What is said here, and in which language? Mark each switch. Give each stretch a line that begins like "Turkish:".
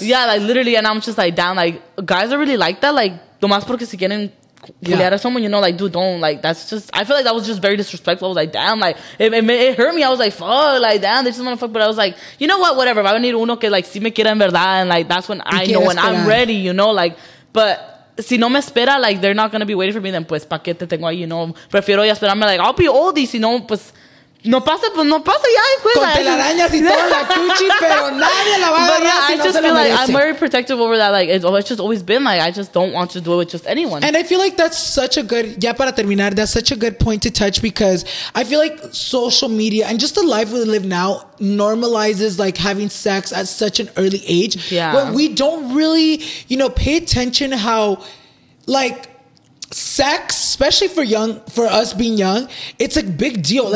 English: Yeah, like, literally, and I'm just like, damn, like, guys are really like that. Like,
Spanish: nomás porque si quieren culiar
English: a someone, you know, like, dude, don't. Like, that's just, I feel like that was just very disrespectful. I was like, damn, like, it hurt me. I was like, fuck, like, damn, they just want to fuck. But I was like, you know what, whatever. I need
Spanish: uno que,
English: like,
Spanish: si me quiera en verdad.
English: And, like, that's when I know when I'm ready, you know, like, but.
Spanish: Si no me espera,
English: like, they're not going to be waiting for me, then,
Spanish: pues, pa' que te tengo ahí,
English: you know?
Spanish: Prefiero ya esperarme, like,
English: I'll be old,
Spanish: y si no, pues, no pasa, pues, no pasa, ya, después. Con telarañas y toda la cuchi, pero nadie la va a agarrar si no se la merece.
English: I'm very protective over that, like, it's just always been, like, I just don't want to do it with just anyone. And I feel like that's such a good,
Spanish: ya para terminar,
English: that's such a good point to touch, because I feel like social media, and just the life we live now, normalizes like having sex at such an early age. Yeah. But we don't really, you know, pay attention how like sex, especially for us being young, it's a big deal.